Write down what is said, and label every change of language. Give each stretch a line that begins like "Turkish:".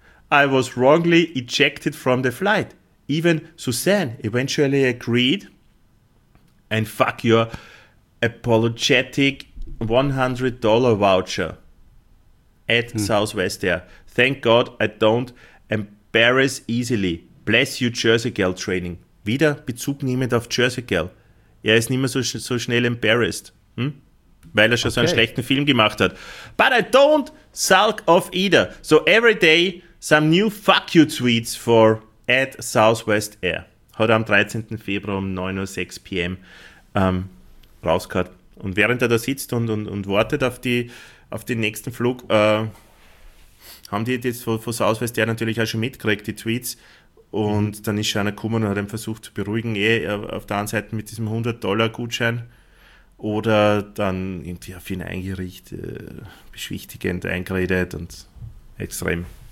English: I was wrongly ejected from the flight. Even Suzanne eventually agreed. And fuck your apologetic $100 voucher. At Southwest Air. Thank God I don't embarrass easily. Bless you, Jersey Girl Training.
German: Wieder Bezug nehmend auf Jersey Girl. Er ist nicht mehr so schnell embarrassed. Weil er schon so einen schlechten Film gemacht hat.
English: But I don't sulk off either. So every day some new fuck you tweets for at Southwest Air.
German: Hat er am 13. Februar um 9.06 p.m. Rausgehört. Und während er da sitzt und wartet auf den nächsten Flug, haben die jetzt von Southwest Air natürlich auch schon mitgekriegt, die Tweets. Und dann ist schon einer gekommen und hat ihn versucht zu beruhigen. Auf der einen Seite mit diesem $100-Gutschein oder dann irgendwie auf ihn eingerichtet, beschwichtigend eingeredet und extrem.